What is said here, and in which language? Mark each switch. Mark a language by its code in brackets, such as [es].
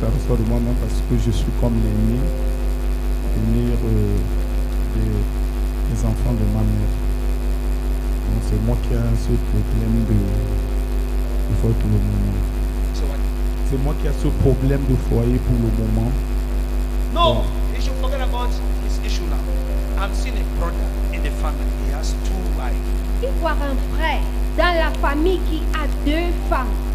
[fr] Ça ressort de moi-même parce que je suis comme l'aîné. L'aîné des enfants de ma mère. Donc, c'est moi qui ai ce problème de foyer pour le moment. C'est moi qui ai ce problème de foyer pour le moment. [en] No, he should forget about his issue now. I'm seeing a brother in the family. He has two wives. [fr] Il voit un frère dans la famille qui a deux femmes.